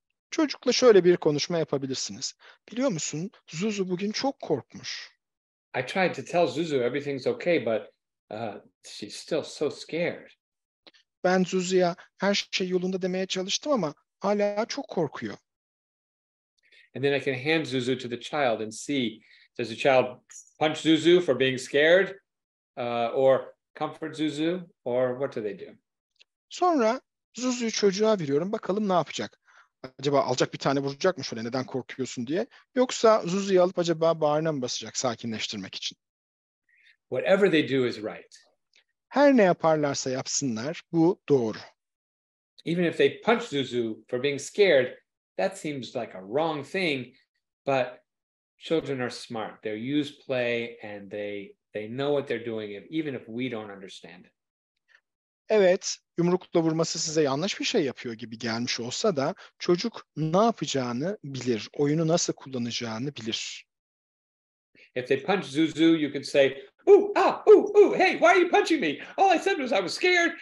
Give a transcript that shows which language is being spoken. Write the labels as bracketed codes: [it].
[tr] Çocukla şöyle bir konuşma yapabilirsiniz. Biliyor musun, Zuzu bugün çok korkmuş. [en] I tried to tell Zuzu everything's okay, but she's still so scared. [tr] Ben Zuzu'ya her şey yolunda demeye çalıştım ama hala çok korkuyor. [en] And then I can hand Zuzu to the child and see, does the child punch Zuzu for being scared or comfort Zuzu or what do they do? [tr] Sonra Zuzu'yu çocuğa veriyorum, bakalım ne yapacak? Acaba alacak bir tane vuracak mı şöyle, neden korkuyorsun diye? Yoksa Zuzu'yu alıp acaba bağrına mı basacak sakinleştirmek için? [en] Whatever they do is right. [tr] Her ne yaparlarsa yapsınlar, bu doğru. [en] Even if they punch Zuzu for being scared, that seems like a wrong thing, but children are smart. They use play and they know what they're doing even if we don't understand it. [tr] Evet, yumrukla vurması size yanlış bir şey yapıyor gibi gelmiş olsa da çocuk ne yapacağını bilir, oyunu nasıl kullanacağını bilir. [en] If they punch Zuzu, you can say, "Ooh, ah, ooh, ooh, hey, why are you punching me? All I said was I was scared.